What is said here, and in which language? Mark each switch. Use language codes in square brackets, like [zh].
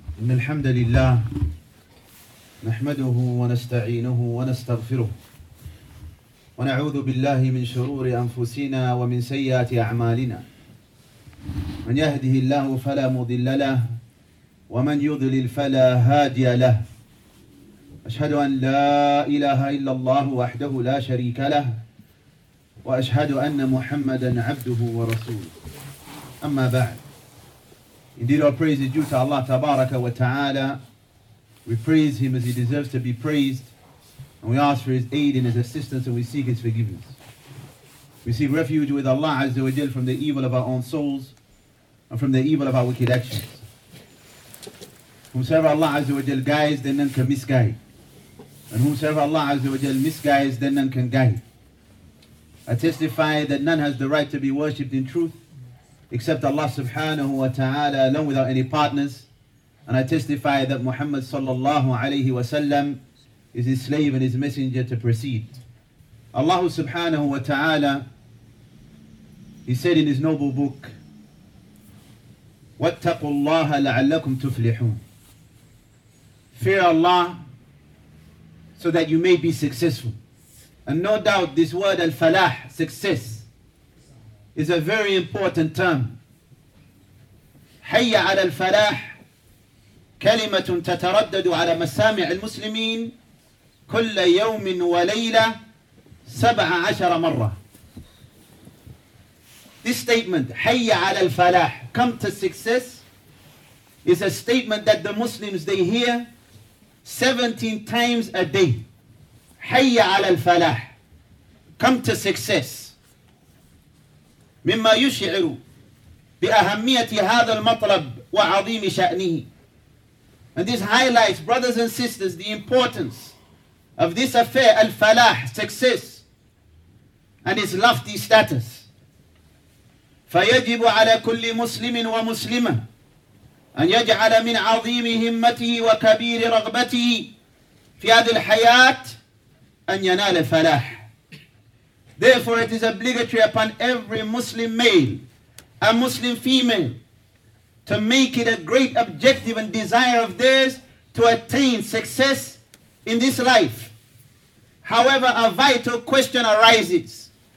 [ar] إن الحمد لله نحمده ونستعينه ونستغفره ونعوذ بالله من شرور أنفسنا ومن سيئات أعمالنا من يهده الله فلا مضل له ومن يضلل فلا هادي له أشهد أن لا إله إلا الله وحده لا شريك له وأشهد أن محمدا عبده ورسوله أما بعد. [en] Indeed, our praise is due to Allah Tabaraka wa Ta'ala. We praise Him as He deserves to be praised. And we ask for His aid and His assistance and we seek His forgiveness. We seek refuge with Allah Azza wa Jal from the evil of our own souls and from the evil of our wicked actions. Whomsoever Allah Azza wa Jal guides, then none can misguide. And whomsoever Allah Azza wa Jal misguides, then none can guide. I testify that none has the right to be worshipped in truth except Allah subhanahu wa ta'ala alone without any partners. And I testify that Muhammad sallallahu alayhi wa sallam is his slave and his messenger to proceed. Allah subhanahu wa ta'ala, he said in his noble book, [ar] وَاتَّقُوا اللَّهَ لَعَلَّكُمْ تُفْلِحُونَ. [en] Fear Allah so that you may be successful. And no doubt this word al-falah, success, is a very important term. [ar] حي على الفلاح كلمة تتردد على مسامع المسلمين كل يوم وليلة 17 مرة. [en] This statement, [ar] حي على الفلاح, [en] come to success, is a statement that the Muslims, they hear 17 times a day. [ar] حي على الفلاح, [en] come to success. [ar] مما يشعر بأهمية هذا المطلب وعظيم شأنه. [en] And this highlights, brothers and sisters, the importance of this affair, al-falah, success, and its lofty status. [ar] فيجب على كل مسلم ومسلمة أن يجعل من عظيم همته وكبير رغبته في هذه الحياة أن ينال الفلاح. [en] Therefore, it is obligatory upon every Muslim male and Muslim female to make it a great objective and desire of theirs to attain success in this life. However, a vital question arises.